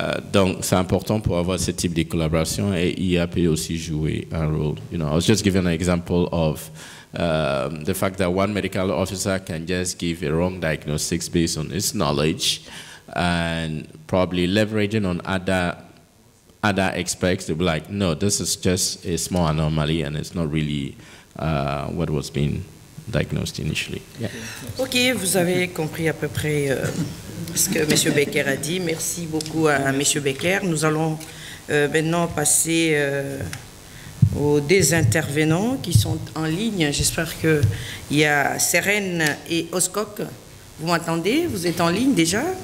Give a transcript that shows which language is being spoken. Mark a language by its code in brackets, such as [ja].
[fr] Donc, c'est important pour avoir ce type de collaboration et IA peut aussi jouer un rôle. [en] You know, I was just giving an example of the fact that one medical officer can just give a wrong diagnosis based on his knowledge. and probably leveraging on other aspects, they'll be like, no, this is just a small anomaly and it's not really what was being diagnosed initially. Yeah. [fr] Okay, vous avez compris à peu près ce que Monsieur Becker a dit. Merci beaucoup à Monsieur Becker. Nous allons maintenant passer aux deux intervenants qui sont en ligne. J'espère qu'il y a Sérène et Oscock. Vous m'entendez? Vous êtes en ligne déjà?